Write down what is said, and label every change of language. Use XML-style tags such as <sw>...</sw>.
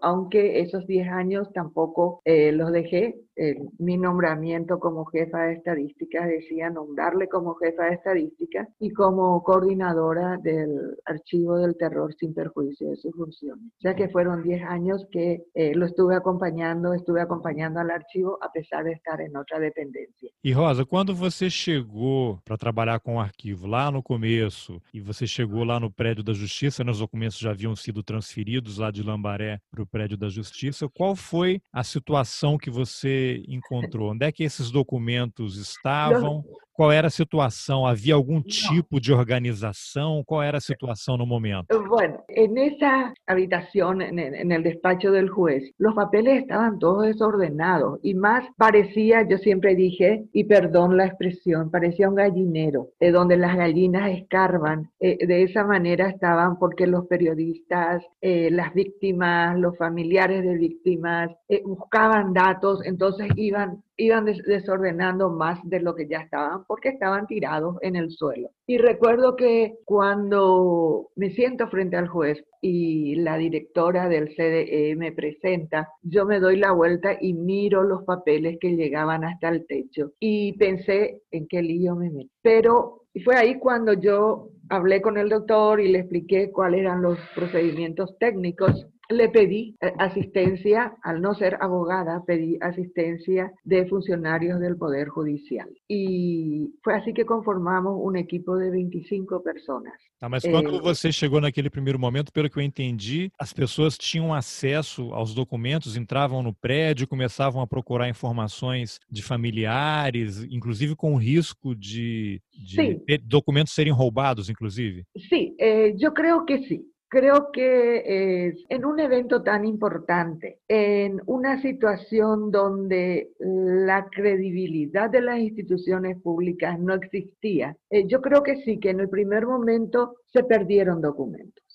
<es>Aunque esos 10 años tampoco los dejé, mi nombramiento como jefa de estadísticas decía nombrarle como jefa de estadísticas y como coordinadora del archivo del terror sin perjuicio de sus funciones. O sea que fueron 10 años que lo estuve acompañando al archivo a pesar de estar en otra dependencia.</es> <pt>Y Rosa, cuando você chegou para trabalhar com o arquivo lá no começo e você chegou lá no prédio da justiça, né, os documentos já haviam sido transferidos lá de Lambaré para o prédio da justiça, qual foi a situação que você encontrou? Onde é que esses documentos estavam? Qual era a situação? Havia algum tipo de organização? Qual era a situação no momento?</pt> <es>Bueno, en esa habitación, en el despacho del juez, los papeles estaban todos desordenados y más parecía, yo siempre dije, y perdón la expresión, parecía un gallinero, donde las gallinas escarban. De esa manera estaban porque los periodistas, las víctimas, los familiares de víctimas, buscaban datos, entonces iban desordenando más de lo que ya estaban, porque estaban tirados en el suelo. Y recuerdo que cuando me siento frente al juez y la directora del CDE me presenta, yo me doy la vuelta y miro los papeles que llegaban hasta el techo y pensé en qué lío me metí. Pero fue ahí cuando yo hablé con el doctor y le expliqué cuáles eran los procedimientos técnicos. Le pedí asistencia, al no ser abogada, pedí asistencia de funcionarios del Poder Judicial. Y fue así que conformamos un equipo de 25 personas.</es> <pt>Ah, mas quando você chegou naquele primeiro momento, pelo que eu entendi, as pessoas tinham acesso aos documentos, entravam no prédio, começavam a procurar informações de familiares, inclusive com risco de documentos serem roubados, inclusive? Sim, eu creio que sim.</pt> <es>Creo que en un evento tan importante, en una situación donde la credibilidad de las instituciones públicas no existía, yo creo que sí, que en el primer momento se perdieron documentos.</es>